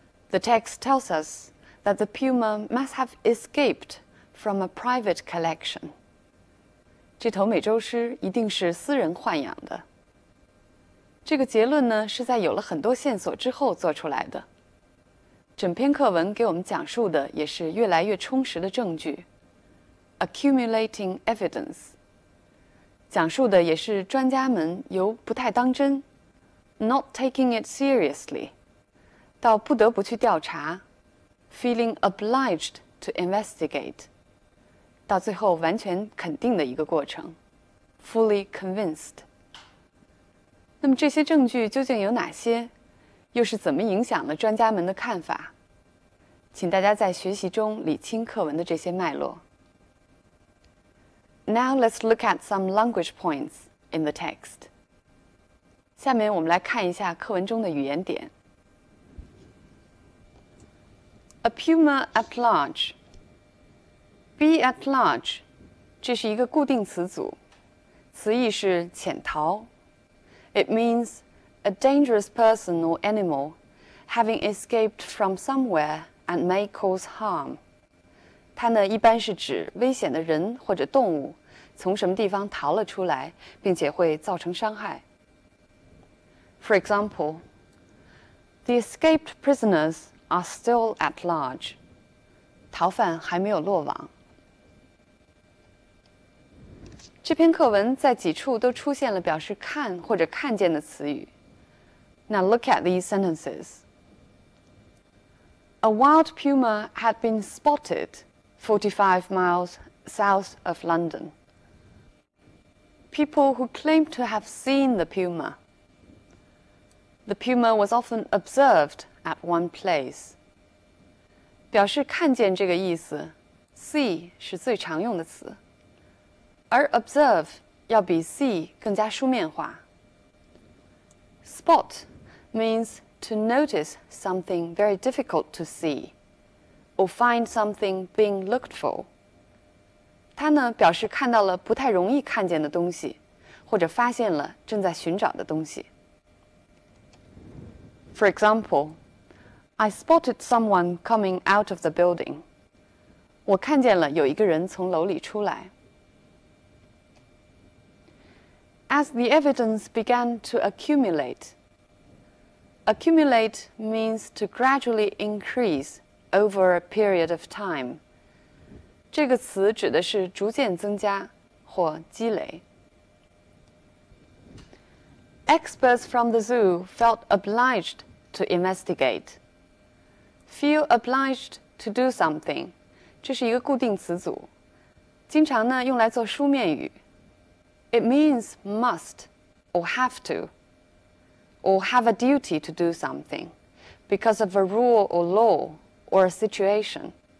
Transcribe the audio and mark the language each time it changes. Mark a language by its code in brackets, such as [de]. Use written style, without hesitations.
[en] The text tells us that the puma must have escaped from a private collection. [zh] 这头美洲狮一定是私人豢养的。这个结论呢，是在有了很多线索之后做出来的。整篇课文给我们讲述的也是越来越充实的证据 [en] ,accumulating evidence. [zh] 讲述的也是专家们由不太当真 [en] ,not taking it seriously, [zh] 到不得不去调查 [en] ,feeling obliged to investigate, [zh] 到最后完全肯定的一个过程 [en] ,fully convinced. [zh] 那么这些证据究竟有哪些？又是怎么影响了专家们的看法？请大家在学习中理清课文的这些脉络。 [en] Now let's look at some language points in the text. [zh] 下面我们来看一下课文中的语言点。 [en] A puma at large. Be at large. [zh] 这是一个固定词组，词义是潜逃。 [en] It means a dangerous person or animal having escaped from somewhere and may cause harm. [zh] 它呢一般是指危险的人或者动物从什么地方逃了出来并且会造成伤害。 [en] For example, the escaped prisoners are still at large. [zh] 逃犯还没有落网。这篇课文在几处都出现了表示看或者看见的词语。 [en] Now look at these sentences. A wild puma had been spotted 45 miles south of London. People who claimed to have seen the puma. The puma was often observed at one place. [zh] 表示看见这个意思 ,see 是最常用的词。而 observe 要比 see 更加书面化。 [en] Spot means to notice something very difficult to see, or find something being looked for. [zh] 它呢表示看到了不太容易看见的东西，或者发现了正在寻找的东西。 [en] For example, I spotted someone coming out of the building. [zh] 我看见了有一个人从楼里出来。 [en] As the evidence began to accumulate, accumulate means to gradually increase over a period of time. [zh] 这个词指的是逐渐增加或积累。 [en] Experts from the zoo felt obliged to investigate. Feel obliged to do something. [zh] 这是一个固定词组，经常呢用来做书面语。 [en] It means must or have to or have a duty to do something because of a rule or law or a situation.